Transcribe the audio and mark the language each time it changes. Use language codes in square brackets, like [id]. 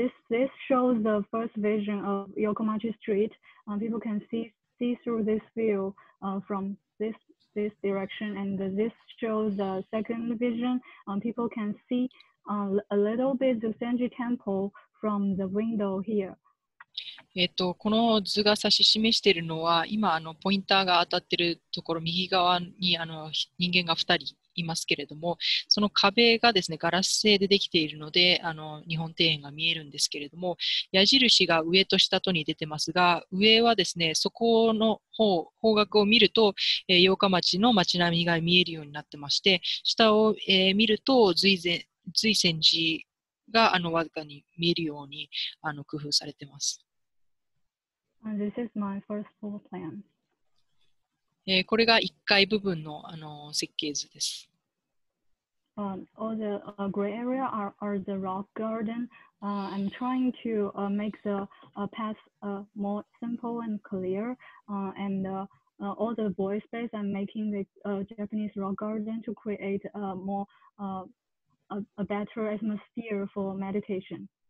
[en] This shows the first vision of Yokomachi Street. People can see through this view from this direction, and this shows the second vision. People can see a little bit the Senji Temple from the window here. [ja] この図が指し示しているのは今あのポインターが当たっているところ右側にあの人間が2人いますけれども、その壁がですねガラス製でできているのであの日本庭園が見えるんですけれども、矢印が上と下とに出てますが、上はですねそこの 方角を見ると、八日町の町並みが見えるようになってまして、下を、見ると瑞泉寺があのわずかに見えるようにあの工夫されています。 [en] And this is my first floor plan. [ja] これが1階部分の、設計図です。 [en] All the gray area are the rock garden. I'm trying to make the path more simple and clear. All the void space, I'm making the Japanese rock garden to create a better atmosphere for meditation.